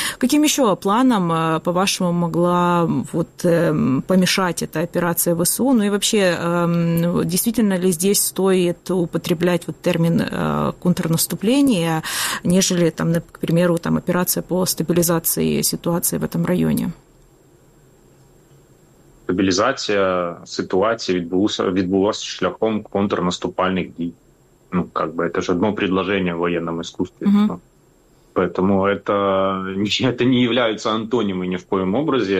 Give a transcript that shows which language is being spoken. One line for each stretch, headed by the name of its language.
Russian: Каким еще планом, по-вашему, могла вот помешать эта операция ВСУ? Ну и вообще, действительно ли здесь стоит употреблять вот термин контрнаступление, нежели, там, к примеру, там, операция по стабилизации ситуации в этом районе?
Ukrainian: Стабілізація ситуації відбулася шляхом контрнаступальних дій.
Russian: Ну, как бы, это же одно предложение в военном искусстве. Поэтому это не является антонимом ни в коем образе.